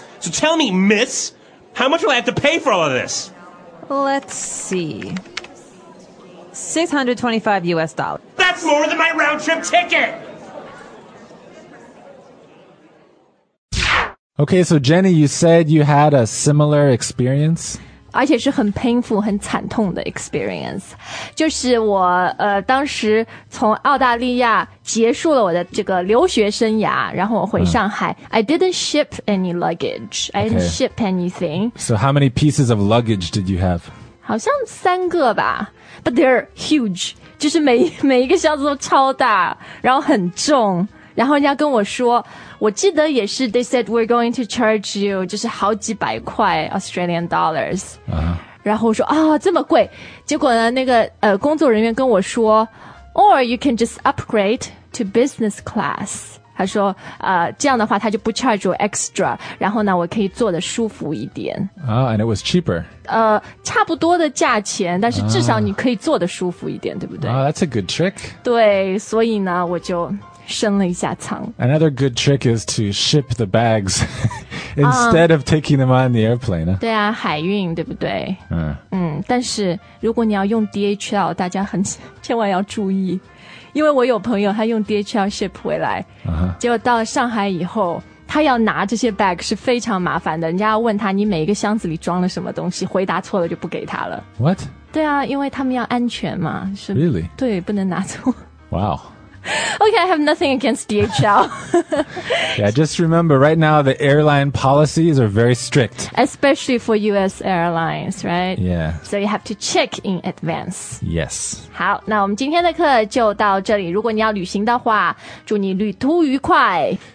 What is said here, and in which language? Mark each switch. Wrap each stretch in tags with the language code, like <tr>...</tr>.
<en>So tell me, miss, how much will I have to pay for all of this? Let's see. $625. That's more than my round-trip ticket! Okay, so Jenny, you said you had a similar experience?</en> <zh>而且是很 painful, 很惨痛的 experience. 就是我当时从澳大利亚结束了我的这个留学生涯，然后我回上海。</zh> <en>I didn't ship any luggage. I didn't ship anything. So how many pieces of luggage did you have?</en> <zh>好像三个吧。</zh> <en>But they're huge.</en> <zh>就是每一个箱子都超大，然后很重。然后人家跟我说，我记得也是</zh> <en>they said we're going to charge you</en> <zh>就是好几百块</zh> <en>Australian dollars、</en> <zh>然后我说这么贵，结果呢那个工作人员跟我说</zh> <en>or you can just upgrade to business class</en> <zh>他说这样的话他就不 charge 我 extra, 然后呢我可以坐得舒服一点。</zh> <en>Oh, and it was cheaper.</en> <zh>差不多的价钱，但是至少你可以坐得舒服一点，对不对？</zh> <en>Oh, that's a good trick.</en> <zh>对，所以呢我就升了一下舱。</zh> <en>Another good trick is to ship the bags instead of taking them on the airplane.</en> <zh>对啊，海运，对不对？但是如果你要用 DHL, 大家很千万要注意。因为我有朋友他用 DHL ship 回来、uh-huh. 结果到了上海以后他要拿这些 bag 是非常麻烦的，人家要问他你每一个箱子里装了什么东西，回答错了就不给他了。</zh> <en>What?</en> <zh>对啊，因为他们要安全嘛，是</zh> <en>Really?</en> <zh>对，不能拿错。</zh> <en>Wow. Okay, I have nothing against DHL. Yeah, just remember right now the airline policies are very strict. Especially for US airlines, right? Yeah. So you have to check in advance. Yes.</en> <zh>好，那我们今天的课就到这里。如果你要旅行的话，祝你旅途愉快。</zh>